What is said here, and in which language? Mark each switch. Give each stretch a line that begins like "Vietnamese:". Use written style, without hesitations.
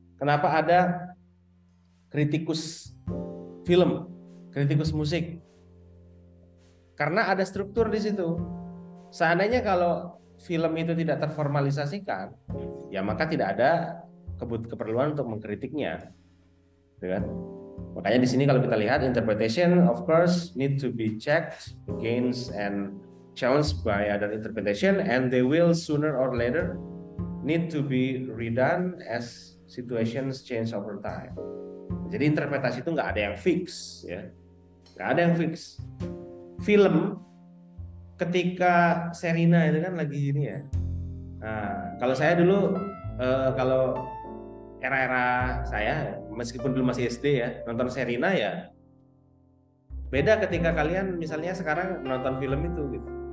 Indonesian: Kenapa ada kritikus film, kritikus musik? Karena ada struktur di situ. Seandainya kalau film itu tidak terformalisasikan, ya maka tidak ada keperluan untuk mengkritiknya. Gitu kan? Makanya di sini kalau kita lihat,
English: interpretation of course need to be checked against and challenged by other interpretation, and they will sooner or later need to be redone as situations change over time.
Indonesian: Jadi interpretasi itu nggak ada yang fix, ya. Nggak ada yang fix. Film, ketika Serina itu kan lagi ini ya. Nah, kalau saya dulu, kalau era-era saya, meskipun dulu masih SD ya, nonton Serina ya, beda ketika kalian misalnya sekarang nonton film itu gitu.